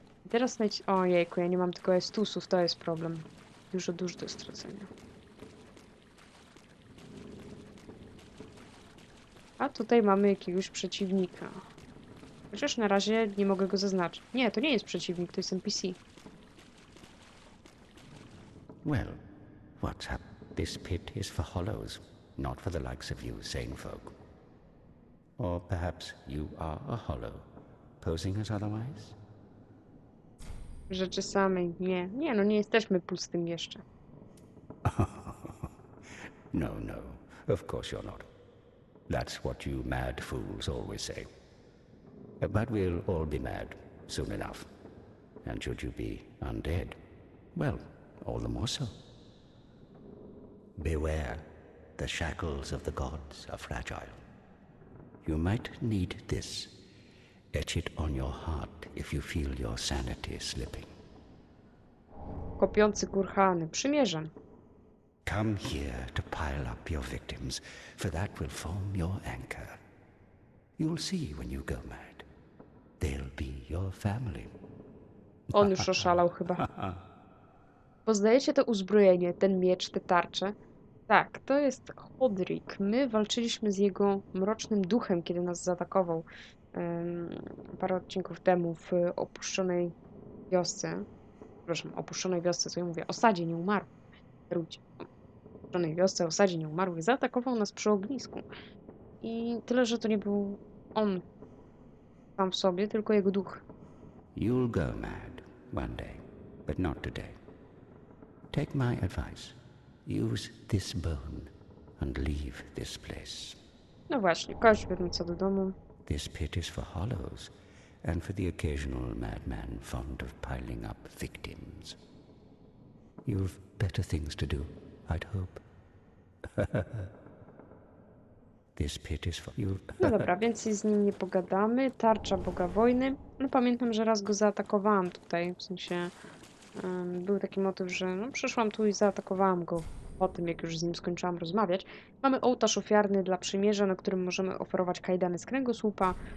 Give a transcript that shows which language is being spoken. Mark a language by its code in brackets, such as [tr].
[pl] Teraz ojejku, ja nie mam tylko estusów, to jest problem. Dużo, dużo do stracenia. A tutaj mamy jakiegoś przeciwnika. Chociaż na razie nie mogę go zaznaczyć. Nie, to nie jest przeciwnik, to jest NPC. [en] Well, what's up? This pit is for hollows, not for the likes of you sane folk. Or perhaps you are a hollow, posing as otherwise? [pl] Rzeczy samej. Nie. Nie, no nie jesteśmy pustym jeszcze. [en] No, no. Of course you're not. That's what you mad fools always say. But we'll all be mad soon enough. And should you be undead, well, all the more so. Beware. The shackles of the gods are fragile. You might need this. Etch it on your heart if you feel your sanity slipping. [pl] Kopiący kurhany, przymierzam. [en] Come here to pile up your victims, for that will form your anchor. You'll see when you go mad. They'll be your family. [pl] On już oszalał chyba. Poznajecie to uzbrojenie, ten miecz, te tarcze? Tak, to jest Hodrik. My walczyliśmy z jego mrocznym duchem, kiedy nas zaatakował. Parę odcinków temu w opuszczonej wiosce. Przepraszam, opuszczonej wiosce, co ja mówię? Osadzie nieumarłych. Ludzie. Opuszczonej wiosce, osadzie nieumarłych. Zaatakował nas przy ognisku. I tyle, że to nie był on sam w sobie, tylko jego duch. [en] You'll go mad one day, but not today. Take my advice. Use this bone and leave this place. [pl] No właśnie, kość wrócę do domu. [en] This pit is for hollows, and for the occasional madman fond of piling up victims. You've better things to do, I'd hope. This pit is for you. [pl] No dobra, więc z nim nie pogadamy. Tarcza Boga Wojny. No pamiętam, że raz go zaatakowałam tutaj, w sensie był taki motyw, że no, przyszłam tu i zaatakowałam go po tym, jak już z nim skończyłam rozmawiać. Mamy ołtarz ofiarny dla przymierza, na którym możemy oferować kajdany z kręgosłupa.